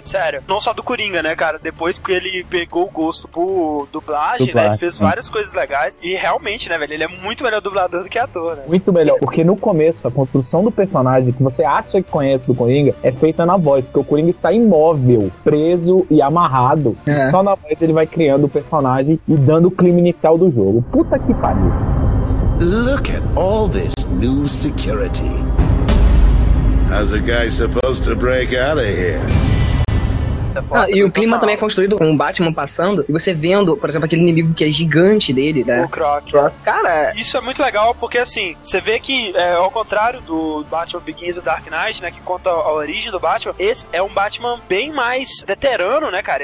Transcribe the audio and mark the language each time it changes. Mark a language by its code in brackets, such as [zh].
[pt] Sério, não só do Coringa, né, cara? Depois que ele pegou o gosto por dublagem, né, ele fez várias coisas legais e realmente, né, velho, ele é muito melhor dublador do que ator, né? Muito melhor, porque no começo a construção do personagem que você acha que conhece do Coringa é feita na voz, porque o Coringa está imóvel, preso e amarrado. É. Só na voz ele vai criando o personagem e dando o clima inicial do jogo. Puta que pariu. [en] Look at all this new security. How's a guy supposed to break out of here? [pt] E o clima também é construído com o Batman passando e você vendo, por exemplo, aquele inimigo que é gigante dele, né? O Croc. Cara, isso é muito legal porque, assim, você vê que, ao contrário do Batman Begins e Dark Knight, né, que conta a origem do Batman, esse é um Batman bem mais veterano, né, cara?